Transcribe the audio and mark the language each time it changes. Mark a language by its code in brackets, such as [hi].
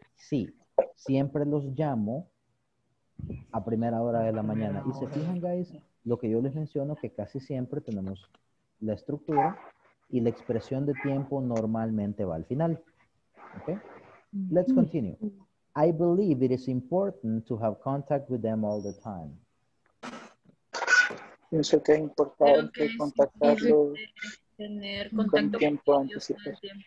[es] Sí, siempre los llamo a primera hora de la mañana. Y se fijan, guys, lo que yo les menciono, que casi siempre tenemos la estructura y la expresión de tiempo normalmente va al final. [en] Okay? Let's continue. I believe it is important to have contact with them all the time. [es] Pienso que es importante contactarlo con tiempo anticipado.